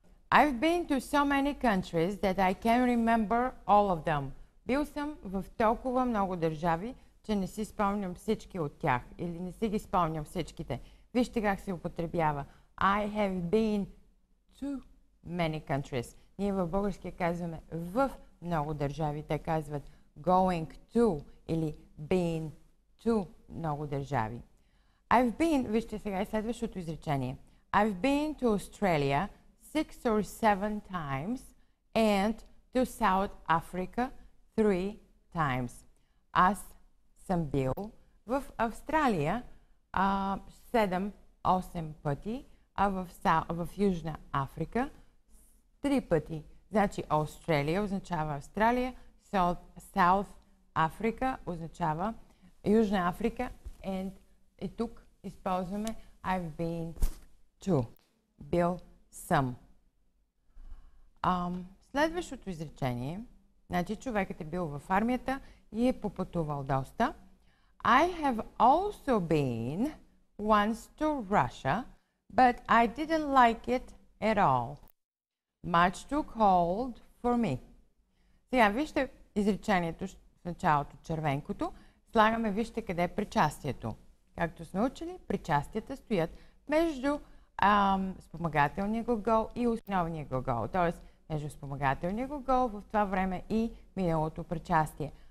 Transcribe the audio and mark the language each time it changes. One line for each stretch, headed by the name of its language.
English: I've been to so many countries that I can remember all of them.
Bulgarian: Бил съм в толкова много държави, че не си спомням всички от тях. Или не си ги спомням всичките. Вижте как се употребява.
English: I have been to many countries.
Bulgarian: Ние в български казваме в много държави. Те казват going to или been to много държави.
English: I've been,
Bulgarian: вижте сега и следващото изречение.
English: I've been to Australia 6 or 7 times and to South Africa 3 times.
Bulgarian: Аз съм бил в Австралия 7-8 пъти, а в Южна Африка 3 пъти. Значи Australia означава Австралия, South Africa означава Южна Африка and и тук използваме I've been to. Бил съм. Следващото изречение. Значи човекът е бил в армията и е попътувал доста.
English: I have also been once to Russia, but I didn't like it at all. Much too cold for me.
Bulgarian: Сега вижте изречението в началото червенкото. Слагаме вижте къде е причастието. Както сме учили, причастията стоят между спомагателния глагол и основния глагол. Т.е. между спомагателния глагол в това време и миналото причастие.